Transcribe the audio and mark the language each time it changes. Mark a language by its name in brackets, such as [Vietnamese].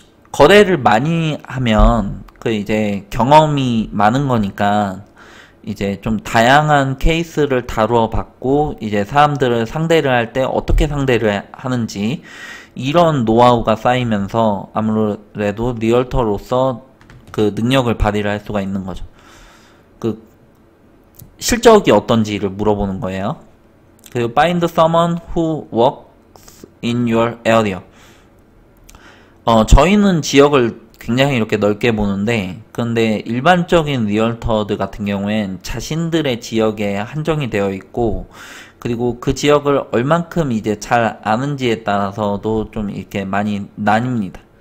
[Korean] 거래를 많이 하면 그 이제 경험이 많은 거니까 이제 좀 다양한 케이스를 다루어 봤고, 이제 사람들을 상대를 할때 어떻게 상대를 하는지 이런 노하우가 쌓이면서 아무래도 리얼터로서 그 능력을 발휘를 할 수가 있는 거죠. 그 실적이 어떤지를 물어보는 거예요. 그리고 [English] find someone who works in your area. [Korean] 저희는 지역을 굉장히 이렇게 넓게 보는데, 그런데 일반적인 리얼터들 같은 경우엔 자신들의 지역에 한정이 되어 있고, 그리고 그 지역을 얼만큼 이제 잘 아는지에 따라서도 좀 이렇게 많이 나뉩니다.